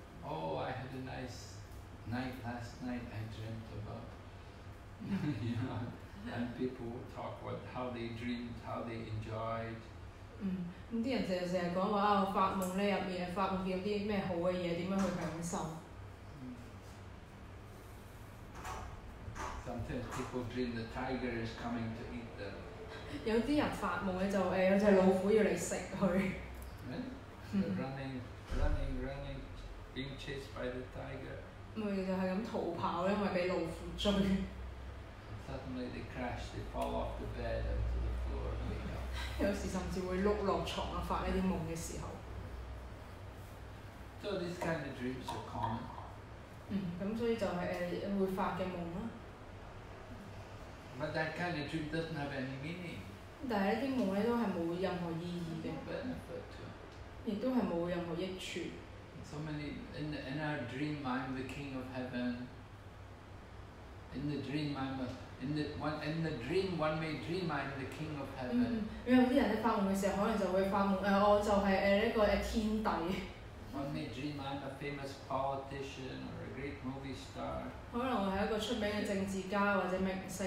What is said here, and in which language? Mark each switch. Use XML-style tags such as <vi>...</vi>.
<en>Oh, I had a nice night last night, I dreamt about, and people talk about how they dreamed, how they enjoyed.</en> <zh>那些人經常說，發夢裡面，發夢有什麼好的東西，怎麼去享受。</zh> <en>Sometimes people dream the tiger is coming to eat them.</en> <zh>有些人發夢，就有隻老虎要來吃它。</zh> <en>Running, running, running, being chased by the tiger.</en> <zh>他們就是這樣逃跑，因為被老虎追。</zh> <en>Suddenly they crash, they fall off the bed onto the floor and wake up.</en> <zh>有時甚至會碌落床，發一些夢的時候。</zh> <en>So these kind of dreams are common.</en> <zh>所以就是會發的夢。</zh> <en>But that kind of dream doesn't have any meaning.</en> <zh>但是一些夢都是沒有任何意義的。</zh> <en>No benefit to</en> <zh>it. 也都是沒有任何益處。</zh> <en>So many, in our dream I'm the king of heaven. In the dream I'm a... In the dream, one may dream I'm the king of heaven.</en> <zh>有些人在發夢的時候，可能就會發夢，我就是天帝。</zh> <en>One may dream I'm a famous politician or a great movie star.</en> <zh>可能我是一個出名的政治家或者明星。</zh>